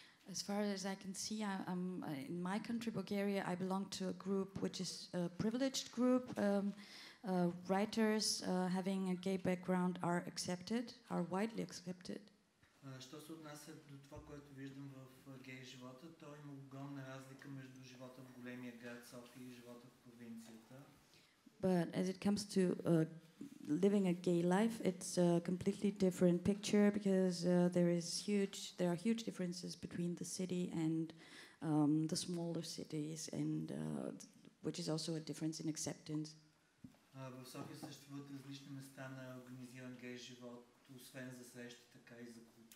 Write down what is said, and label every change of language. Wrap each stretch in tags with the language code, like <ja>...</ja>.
<en>As far as I can see, I'm in my country, Bulgaria, I belong to a group which is a privileged group. Writers having a gay background are accepted, are widely accepted.</en> <bg>Що се отнася до това, което виждам в гей живота, то има огромна разлика между живота в големия град София и живота в провинцията.</bg> <en>But as it comes to living a gay life, it's a completely different picture because there are huge differences between the city and the smaller cities, and which is also a difference in acceptance.</en> <bg>В София съществуват различни места на организиран гей живот, освен за срещи, така и за култура.</bg>